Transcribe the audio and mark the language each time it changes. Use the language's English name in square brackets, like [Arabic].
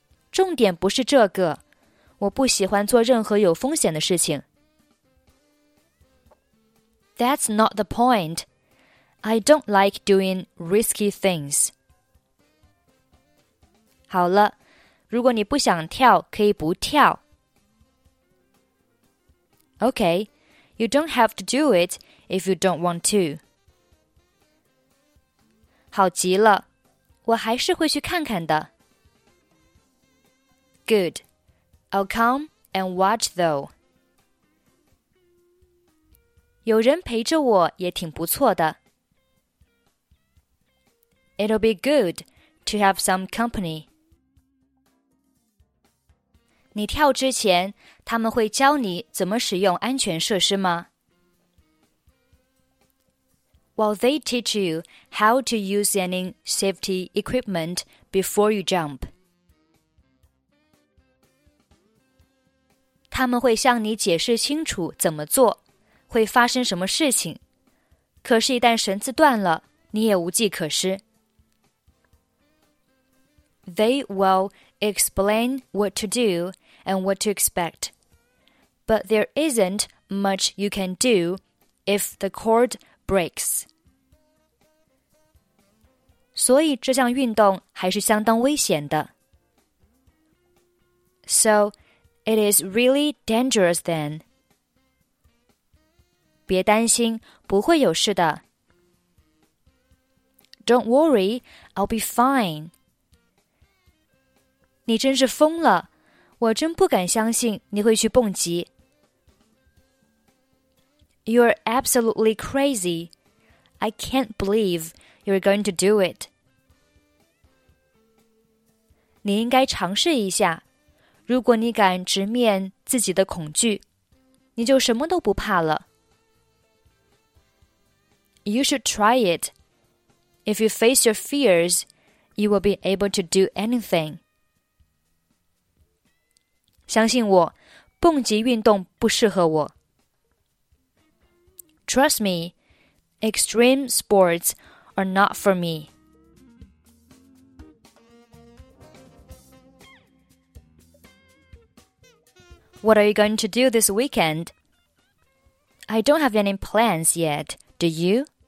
[Chinese] 重点不是这个，我不喜欢做任何有风险的事情。 [English] That's not the point. I don't like doing risky things. [Chinese] 好了，如果你不想跳，可以不跳。 [English] Okay, you don't have to do it. If you don't want to. [Chinese] 好极了，我还是会去看看的。 [English] Good. I'll come and watch though. [Chinese] 有人陪着我也挺不错的。 [English] It'll be good to have some company. [Chinese] 你跳之前，他们会教你怎么使用安全设施吗？ [English] While they teach you how to use any safety equipment before you jump. [Chinese] 他们会向你解释清楚怎么做，会发生什么事情。可是一旦绳子断了，你也无计可施。 [English] They will explain what to do and what to expect. but there isn't much you can do if the cord breaks. [Chinese] 所以这项运动还是相当危险的。 [English] So, it is really dangerous then. [Chinese] 别担心，不会有事的。 [English] Don't worry, I'll be fine. [Chinese] 你真是疯了，我真不敢相信你会去蹦极。 [English] You're absolutely crazy. I can't believe you're going to do it. [Chinese] 你应该尝试一下，如果你敢直面自己的恐惧，你就什么都不怕了。 [English] You should try it. If you face your fears, you will be able to do anything. [Chinese] 相信我，蹦极运动不适合我。 [English] Trust me, extreme sports are not for me. What are you going to do this weekend? I don't have any plans yet, do you?